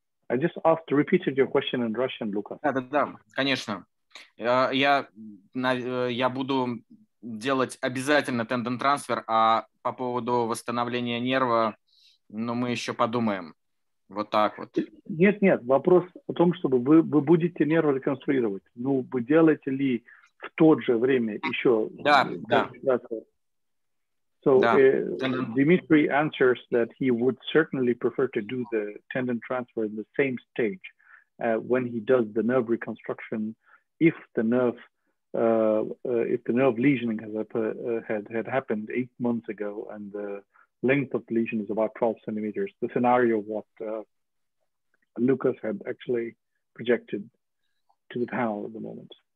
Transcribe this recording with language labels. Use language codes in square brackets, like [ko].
[en] I just asked, repeated your question in Russian, Lucas. [ru] Да, конечно. Я буду делать обязательно тендон-трансфер, а по поводу восстановления нерва, мы еще подумаем. Вот так вот. Нет, вопрос о том, чтобы вы будете нерв реконструировать. Вы делаете ли в то же время еще? Да, да. So да. [en] Dimitri answers that he would certainly prefer to do the tendon transfer in the same stage when he does the nerve reconstruction. If the nerve lesioning had happened 8 months ago and the length of the lesion is about 12 centimeters, the scenario what Lucas had actually projected to the panel at the moment.